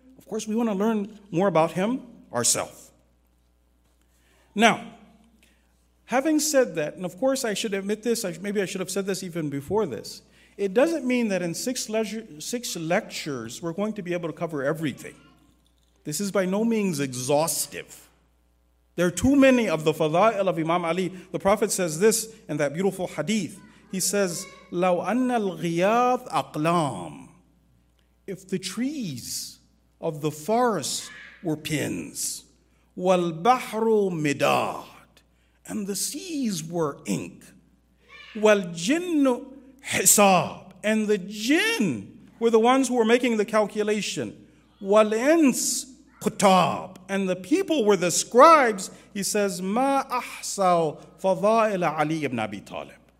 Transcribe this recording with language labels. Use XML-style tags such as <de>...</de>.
<en>Of course, we want to learn more about him ourselves. Now, having said that, and of course I should admit this, maybe I should have said this even before this, it doesn't mean that in six lectures we're going to be able to cover everything. This is by no means exhaustive. There are too many of the fada'il of Imam Ali. The Prophet says this in that beautiful hadith. He says,</en> <ar>لَوْ أَنَّ الْغِيَاثَ أَقْلَامٌ.</ar> <en>If the trees of the forest were pins,</en> <ar>وَالْبَحْرُ مِدَادٌ,</ar> <en>and the seas were ink,</en> <ar>وَالْجِنُّ حِسَابٌ,</ar> <en>and the jinn were the ones who were making the calculation,</en> <ar>وَالْإِنْسُ كتاب,</ar> <en>and the people were the scribes, he says,</en> <ar>مَا أَحْسَوْ فَضَائِلَ عَلِي ابْنَ أَبِي طَالِبٍ.</ar>